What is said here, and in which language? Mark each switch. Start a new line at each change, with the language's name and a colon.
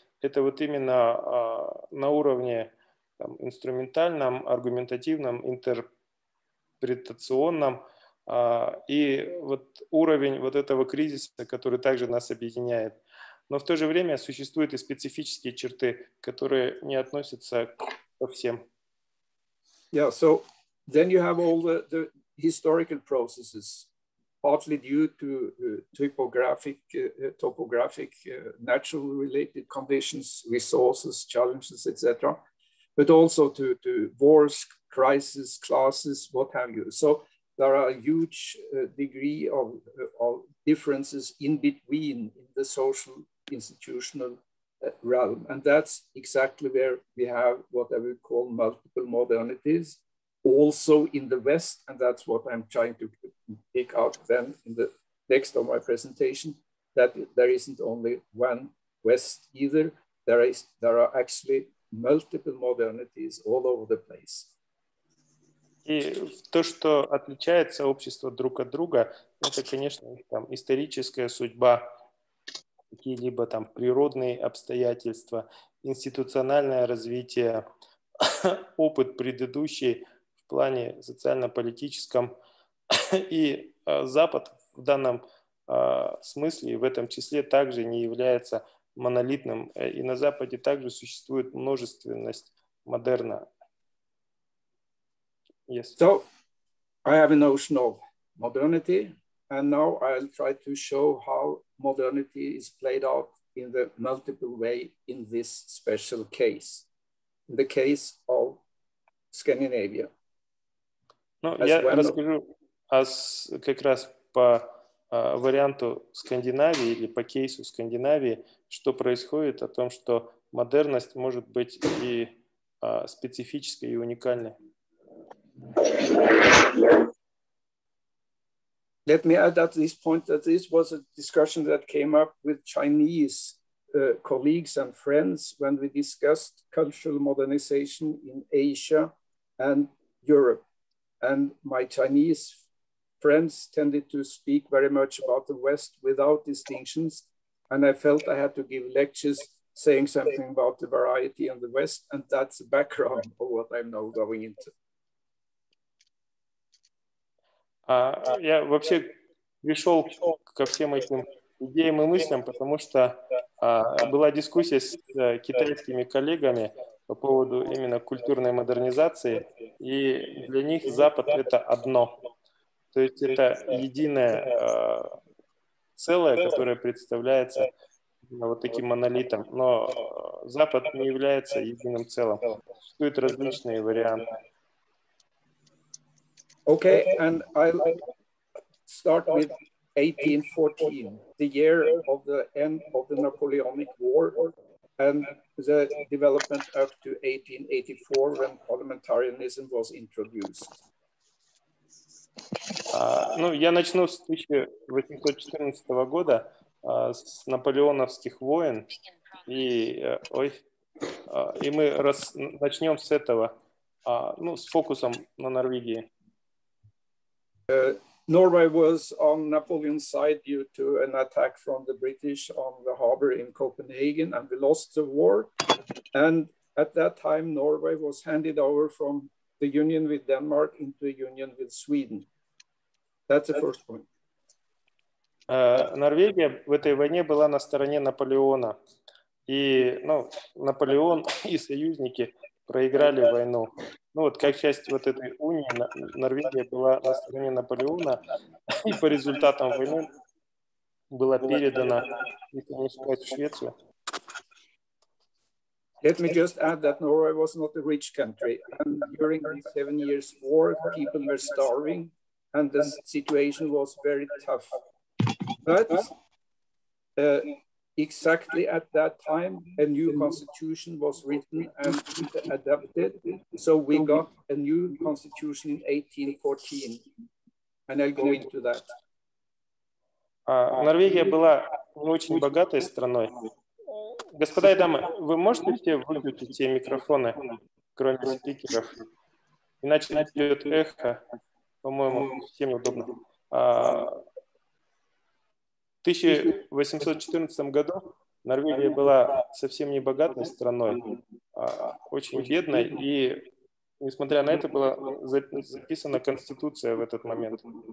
Russian: Это вот именно на уровне там, инструментальном, аргументативном, интерпретационном. И вот уровень вот этого кризиса, который также нас объединяет. Но в то же время существуют и специфические черты, которые не относятся ко всем.
English: Yeah, so then you have all the historical processes. Partly due to topographic, natural related conditions, resources, challenges, etc., but also to wars, crises, classes, what have you. So there are a huge degree of differences in between in the social institutional realm, and that's exactly where we have what I would call multiple modernities. Also in the West, and that's what I'm trying to pick out then in the next of my presentation, that there isn't only one West either. There are actually multiple modernities all over the place.
Russian: И то, что отличается общество друг от друга, это, конечно, там историческая судьба, какие-либо там природные обстоятельства, институциональное развитие, опыт предыдущий. В плане социально-политическом и Запад в данном смысле, в этом числе, также не является монолитным. И на Западе также существует множественность модерна.
English: Yes. So, I have a notion of modernity, and now I'll try to show how modernity is played out in the multiple way in this special case, the case of Scandinavia.
Russian: Ну, я расскажу как раз по варианту Скандинавии или по кейсу Скандинавии, что происходит о том, что модерность может быть и специфической, и уникальной.
English: Let me add at this point that this was a discussion that came up with Chinese colleagues and friends when we discussed cultural modernization in Asia and Europe. And my Chinese friends tended to speak very much about the West without distinctions. And I felt I had to give lectures saying something about the variety in the West. And that's the background of what I'm now going into.
Russian: Я вообще пришел ко всем этим идеям и мыслям, потому что была дискуссия с китайскими коллегами по поводу именно культурной модернизации, и для них Запад — это одно. То есть это единое целое, которое представляется вот таким монолитом. Но Запад не является единым целым. Существуют различные варианты.
English: Okay, and I'll start with 1814, the year of the end of the Napoleonic War, and the development up to 1884, when parliamentarianism was introduced.
Russian: Ну, я начну с 1814 года, с наполеоновских войн, и мы начнем с этого, ну, с фокусом на Норвегии.
English: Norway was on Napoleon's side due to an attack from the British on the harbor in Copenhagen, and we lost the war. And at that time, Norway was handed over from the union with Denmark into a union with Sweden. That's the first point.
Russian: Норвегия в этой войне была на стороне Наполеона. И, ну, Наполеон и союзники проиграли войну. Ну, вот как часть вот этой унии, Норвегия была на стороне Наполеона, и по результатам войны была передана, если не сказать, в Швецию.
English: Let me just add that Norway was not a rich country, and during the 7 years war, people were starving, and the situation was very tough. But exactly at that time, a new constitution was written and adapted, so we got a new constitution in 1814, and I'll go into that.
Russian: Норвегия была не очень богатой страной. Господа и дамы, вы можете все выключить те микрофоны, кроме спикеров? Иначе идет эхо, по-моему, всем неудобно. В 1814 году Норвегия была совсем не богатой страной, очень бедной, и, несмотря на это, была записана конституция в этот момент.